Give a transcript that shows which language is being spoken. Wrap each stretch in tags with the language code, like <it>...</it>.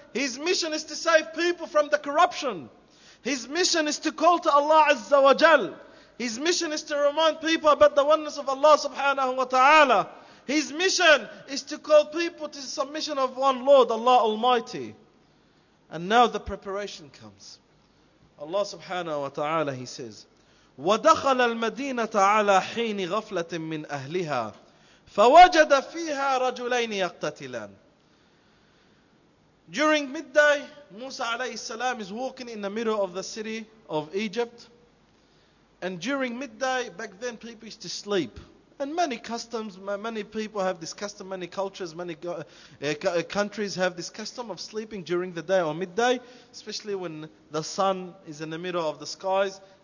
<en>His mission is to save people from the corruption. His mission is to call to Allah Azza wa Jal. His mission is to remind people about the oneness of Allah subhanahu wa ta'ala. His mission is to call people to submission of one Lord, Allah Almighty. And now the preparation comes.</en> <ar>Allah subhanahu wa ta'ala,</ar> <en>he says,</en> <ar>وَدَخَلَ الْمَدِينَةَ عَلَىٰ حِينِ غَفْلَةٍ مِّنْ أَهْلِهَا فَوَجَدَ فِيهَا رَجُلَيْنِ يَقْتَتِلَانِ.</ar> <en>During midday, Musa alayhi salam is walking in the middle of the city of Egypt. And during midday, back then people used to sleep. And many customs, many people have this custom, many cultures, many countries have this custom of sleeping during the day or midday, especially when the sun is in the middle of the skies.</en>